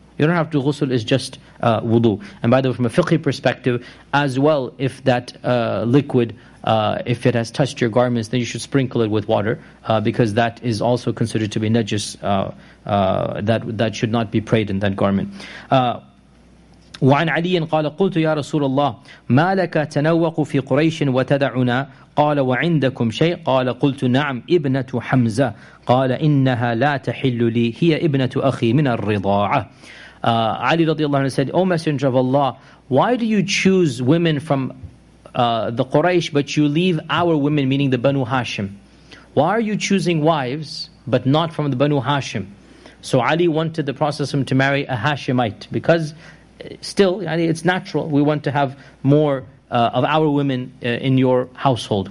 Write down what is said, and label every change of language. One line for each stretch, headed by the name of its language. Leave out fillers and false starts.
English: You don't have to ghusl, it's just wudu. And by the way, from a fiqhi perspective, as well, if that liquid, if it has touched your garments, then you should sprinkle it with water, because that is also considered to be najis. That should not be prayed in that garment.
Arabic: وعن علي قال قلت يا رسول الله ما لك تنوق في قريش وتدعنا قال وعندكم شيء قال قلت نعم ابنة حمزة قال إنها لا تحل لي هي ابنة أخي من الرضاعة.
English: Ali
Arabic: radiallahu anhu
English: said, O Messenger of Allah, why do you choose women from the Quraysh, but you leave our women, meaning the Banu Hashim? Why are you choosing wives, but not from the Banu Hashim? So Ali wanted the Prophet to marry a Hashimite, because still, it's natural, we want to have more of our women in your household.